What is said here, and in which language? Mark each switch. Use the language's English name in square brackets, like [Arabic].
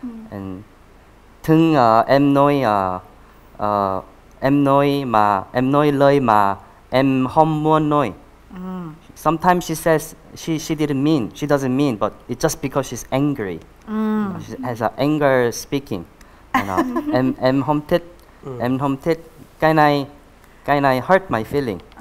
[Vietnamese] And thường em nói lời mà em không muốn nói. [English] Sometimes she says she doesn't mean but it's just because she's angry. She has an anger speaking. [Vietnamese] em không thích. Em không thích cái này [English] hurt my feeling.